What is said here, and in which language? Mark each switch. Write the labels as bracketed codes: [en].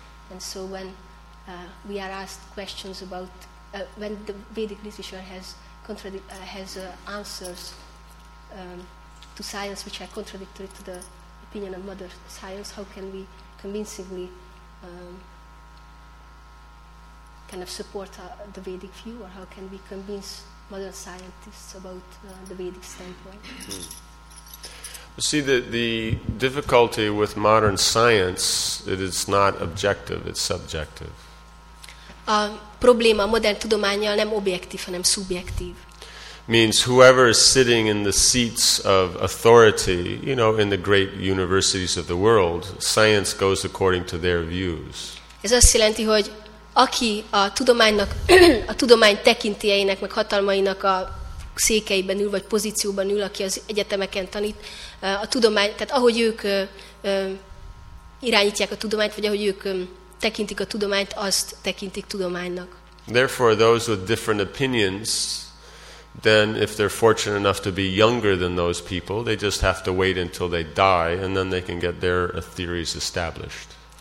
[en] And so when we are asked questions about, when the Vedic literature has answers to science which are contradictory to the opinion of modern science, how can we convincingly kind of support the Vedic view, or how can we convince modern scientists about the Vedic standpoint? Hmm. See, the difficulty with modern science, it is not objective, it's subjective. [hu] A probléma a modern tudománnyal nem objektív, hanem szubjektív. [en] Means whoever is sitting in the seats of authority, you know, in the great universities of the world, science goes according to their views. [hu] Ez azt jelenti, hogy aki a tudománynak, a tudomány tekintélyeinek, meg hatalmainak a székeiben ül, vagy pozícióban ül, aki az egyetemeken tanít, a tudomány, tehát ahogy ők irányítják a tudományt, vagy ahogy ők tekintik a tudományt, azt tekintik tudománynak. [en] Therefore, those with different opinions, then if they're fortunate enough to be younger than those people, they just have to wait until they die, and then they can get their theories established.